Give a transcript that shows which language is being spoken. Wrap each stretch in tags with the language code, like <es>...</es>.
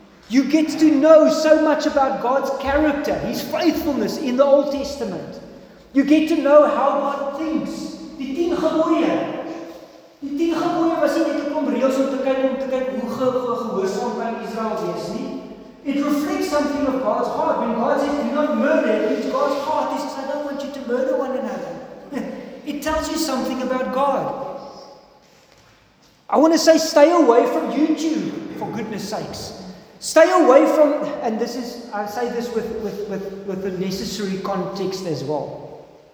<en>You get to know so much about God's character, His faithfulness in the Old Testament. You get to know how God thinks.</en> <af>Die 10 gebooie. Die 10 gebooie was nie net om reëls om te kyk hoe gehoorsaam kan Israel wees nie.</af> <en>It reflects something of God's heart. When God says, do not murder, it's God's heart. He says, I don't want you to murder one another. It tells you something about God. I want to say, stay away from YouTube, for goodness sakes. Stay away from, and this is, I say this with the necessary context as well.</en>